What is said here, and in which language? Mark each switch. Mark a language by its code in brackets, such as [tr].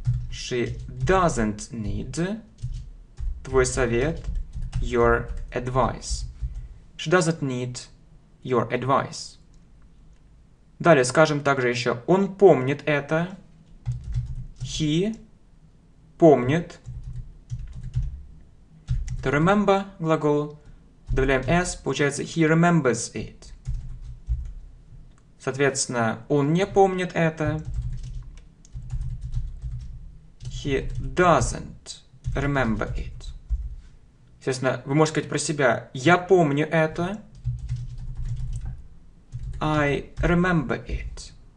[en] She doesn't need твой совет, your advice. She doesn't need your advice. [ru] Далее скажем также еще, он помнит это. He помнит. [en] To remember глагол, добавляем s, получается he remembers it. [ru] Соответственно, он не помнит это. [en] He doesn't remember it. [ru] Естественно, вы можете сказать про себя, я помню это. [en] I remember it.